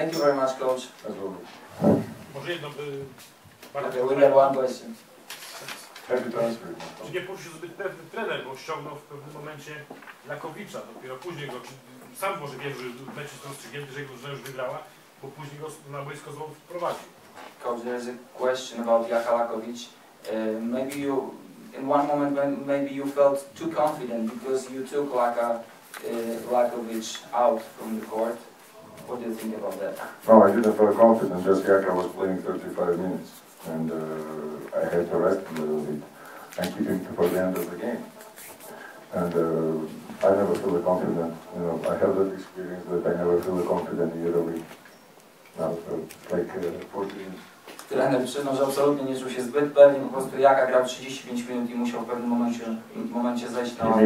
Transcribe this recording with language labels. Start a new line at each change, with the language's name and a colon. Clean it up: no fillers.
English: Thank you very much, coach.
Polish: Może jedno by...
English: Okay, we have one question. Happy to answer.
Polish: Czy nie poczuł się zbyt pewny trener, bo ściągnął w pewnym momencie Lakowicza, dopiero później go, czy sam może wie, że mecz jest rozstrzygnięty, że jego drużyna już wygrała, bo później go na boisko znowu wprowadził.
English: Coach, there is a question about Jacha Lakowicz. Maybe you, in one moment, maybe you felt too confident because you took like a Lakovic out from the court. What do you think about that? No, I didn't feel confident. Just Jaka was playing 35 minutes, and I had to rest a little bit and keep him for the end of the game. And I never feel confident. You know, I have that experience that I never feel confident in the week. Now, like 40 minutes.
Polish: Trener przyznał, że absolutnie nie czuł się zbyt pewnie, po prostu Jaka grał 35 minut i musiał w pewnym momencie zejść na